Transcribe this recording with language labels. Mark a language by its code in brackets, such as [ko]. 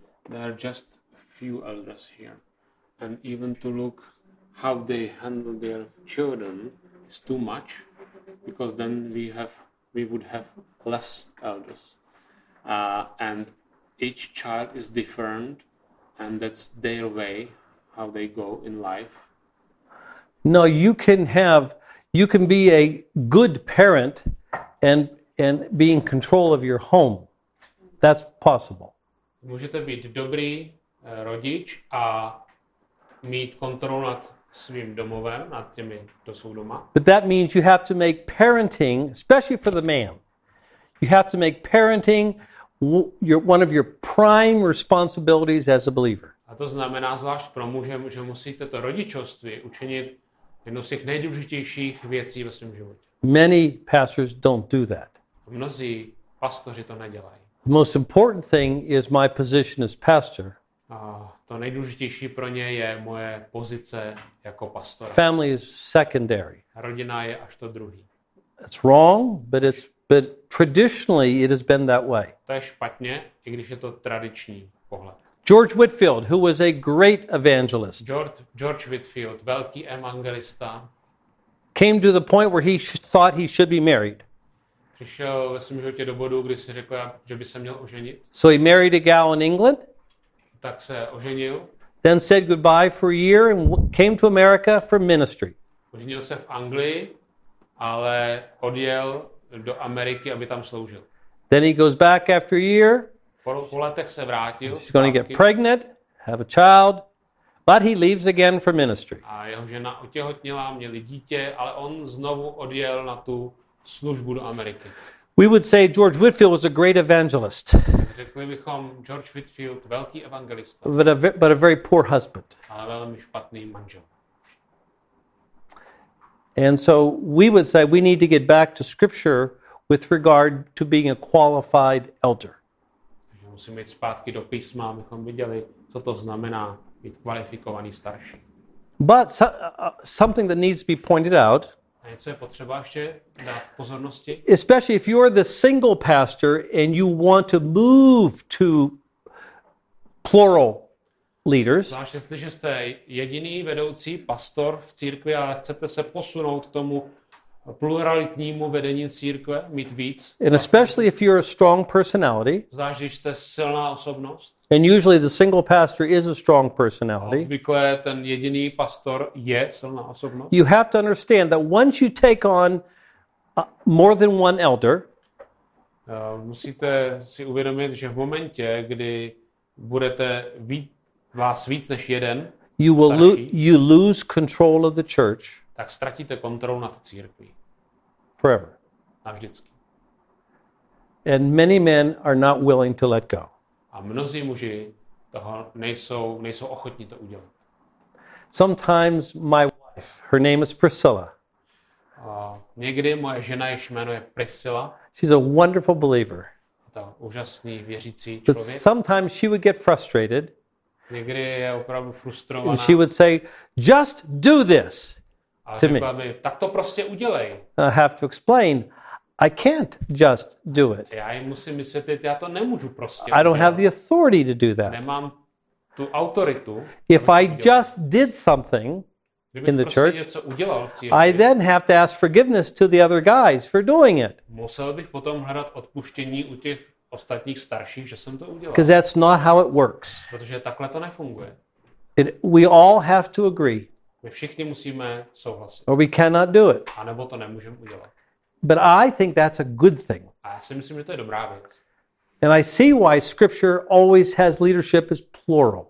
[en] There are just few elders here, and even to look how they handle their children is too much, because then we would have less elders, and each child is different, and that's their way how they go in life. No, you can be a good parent and be in control of your home. That's possible. [cs] Můžete být dobrý rodič a mít kontrolu nad svým domovem, nad těmi, kdo jsou doma. [en] But that means you have to make parenting, especially for the man, you have to make parenting one of your prime responsibilities as a believer. [cs] A to znamená zvlášť pro muže, že musíte to rodičovství učinit jednou z těch nejdůležitějších věcí ve svém životě. [en] Many pastors don't do that. [cs] Mnozí pastoři to nedělají. [en] The most important thing is my position as pastor. [cs] To nejdůležitější pro ně je moje pozice jako pastora. [en] Family is secondary. [cs] Rodina je až to druhý. [en] It's wrong, but traditionally it has been that way. [cs] To je špatně, i když je to tradiční pohled. [en] George Whitfield, who was a great evangelist. [cs] George Whitfield, velký evangelista. [en] came to the point where he thought he should be married. [cs] Přišel ve svém životě do bodu, kdy si řekl, že by se měl oženit. [en] So he married a gal in England. [cs] Tak se oženil. [en] Then said goodbye for a year and came to America for ministry. [cs] Oženil se v Anglii, ale odjel do Ameriky, aby tam sloužil. [en] Then he goes back after a year. [cs] Po letech se vrátil. [en] He's going to get pregnant, have a child, but he leaves again for ministry. [cs] A jeho žena otěhotněla, měli dítě, ale on znovu odjel na tu službu do Ameriky. [en] We would say George Whitefield was a great evangelist. [cs] Řekli bychom George Whitefield velký evangelista. [en] But a very poor husband. [cs] Ale velmi špatný manžel. [en] And so we would say we need to get back to scripture with regard to being a qualified elder. [cs] Musíme jít zpátky do písma, abychom viděli, co to znamená být kvalifikovaný starší. [en] But something that needs to be pointed out. [cs] Něco je potřeba ještě dát pozornosti. [en] Especially if you're the single pastor and you want to move to plural leaders. [cs] Zvlášť jestliže jste jediný vedoucí pastor v církvi a chcete se posunout k tomu pluralitnímu vedení církve, mít víc. [en] And especially if you're a strong personality. [cs] Zvlášť když jste silná osobnost. [en] And usually the single pastor is a strong personality. [cs] Obvykle ten jediný pastor je silná osobnost. [en] You have to understand that once you take on more than one elder, [cs] musíte si uvědomit, že v momentě, kdy budete vás víc než jeden, [en] you lose control of the church. [cs] Tak ztratíte kontrolu nad církví. [en] Forever. [cs] Navždycky. [en] And many men are not willing to let go. [cs] A mnozí muži toho nejsou ochotní to udělat. [en] Sometimes my wife, her name is Priscilla. [cs] Někdy moje žena, jež jmenuje Priscilla. [en] She's a wonderful believer. [cs] To úžasný věřící člověk. [en] But sometimes she would get frustrated. [cs] Někdy je opravdu frustrovaná. [en] And she would say, just do this. To me. [cs] Tak to prostě udělej. [en] I have to explain. I can't just do it. [cs] Já jim musím vysvětlit, já to nemůžu prostě udělat. [en] I don't have the authority to do that. [cs] Nemám tu autoritu. [en] If I just did something in the church, [cs] něco udělal v církvi, [en] I then have to ask forgiveness to the other guys for doing it. [cs] Musel bych potom hledat odpuštění u těch ostatních starších, že jsem to udělal. [en] Because that's not how it works. [cs] Protože takhle to nefunguje. [en] We all have to agree. [cs] My všichni musíme souhlasit. [en] Or we cannot do it. [cs] A nebo to nemůžeme udělat. [en] But I think that's a good thing. [cs] A já si myslím, že to je dobrá věc. [en] And I see why scripture always has leadership as plural.